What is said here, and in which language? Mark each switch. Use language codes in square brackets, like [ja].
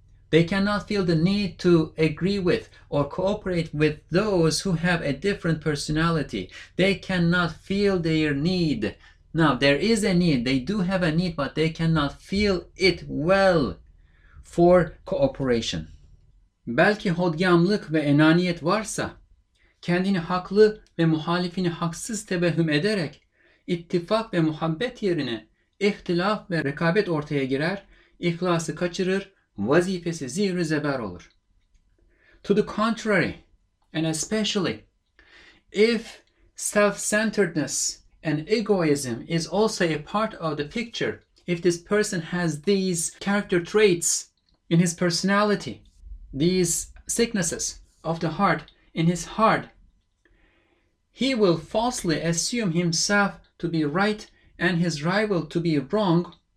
[en] They cannot feel the need to agree with or cooperate with those who have a different personality. They cannot feel their need. Now, there is a need. They do have a need, but they cannot feel it well for cooperation. [tr] Belki hodgamlık ve enaniyet varsa, kendini haklı ve muhalifini haksız tevehüm ederek, ittifak ve muhabbet yerine ihtilaf ve rekabet ortaya girer, ihlası kaçırır, vazifesi zir-i zeber olur. [en] To the contrary, and especially, if self-centeredness and egoism is also a part of the picture, if this person has these character traits in his personality, these sicknesses of the heart in his heart, he will falsely assume himself to be right and his rival to be wrong.